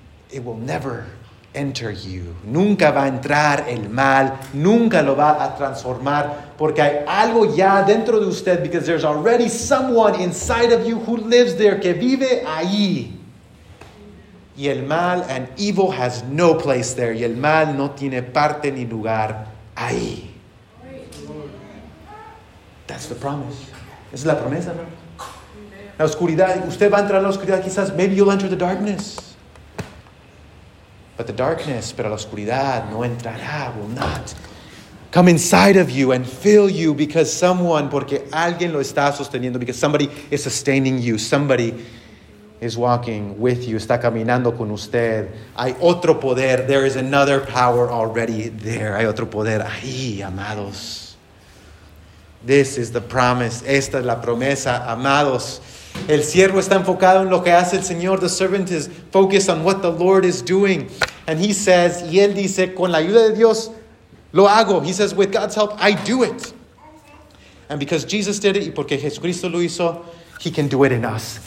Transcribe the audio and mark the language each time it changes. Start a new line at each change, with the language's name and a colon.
English: It will never enter you.
Spanish: Nunca va a entrar el mal. Nunca lo va a transformar. Porque hay algo ya dentro de usted.
English: Because there's already someone inside of you who lives there,
Spanish: que vive ahí. Y el mal
English: and evil has no place there.
Spanish: Y el mal no tiene parte ni lugar ahí.
English: That's the promise.
Spanish: Esa es la promesa, ¿no? La oscuridad. Usted va a entrar en la oscuridad, quizás.
English: Maybe you'll enter the darkness. But the darkness,
Spanish: pero la oscuridad no entrará,
English: will not come inside of you and fill you because someone,
Spanish: porque alguien lo está sosteniendo,
English: because somebody is sustaining you. Somebody is walking with you,
Spanish: está caminando con usted. Hay otro poder.
English: There is another power already there.
Spanish: Hay otro poder ahí, amados.
English: This is the promise.
Spanish: Esta es la promesa, amados. El siervo está enfocado en lo que hace el Señor.
English: The servant is focused on what the Lord is doing. And he says,
Spanish: y él dice, con la ayuda de Dios, lo hago.
English: He says, with God's help, I do it. And because Jesus did it,
Spanish: y porque Jesucristo lo hizo,
English: he can do it in us.